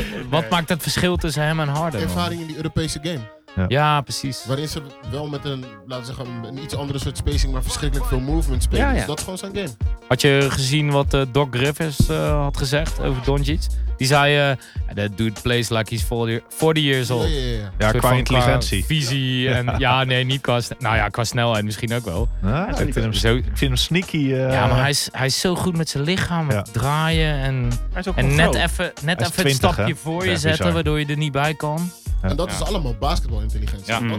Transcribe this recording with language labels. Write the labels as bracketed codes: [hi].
[nl] Wat maakt het verschil tussen hem en Harden? Ervaring in die Europese game. Ja. Ja, precies. Waarin ze wel met een, laten we zeggen, een iets andere soort spacing, maar verschrikkelijk veel movement spelen. Ja, ja. Dus dat is gewoon zijn game. Had je gezien wat Doc Rivers had gezegd over Doncic? Die zei, [en] that dude plays like he's 40 years old. [nl] Ja, qua intelligentie. Qua visie en niet qua qua snelheid misschien ook wel. Ik vind hem sneaky. Maar hij is zo goed met zijn lichaam, met draaien en net even 20, een stapje voor je zetten, bizar. Waardoor je er niet bij kan. En dat is allemaal basketbalintelligentie.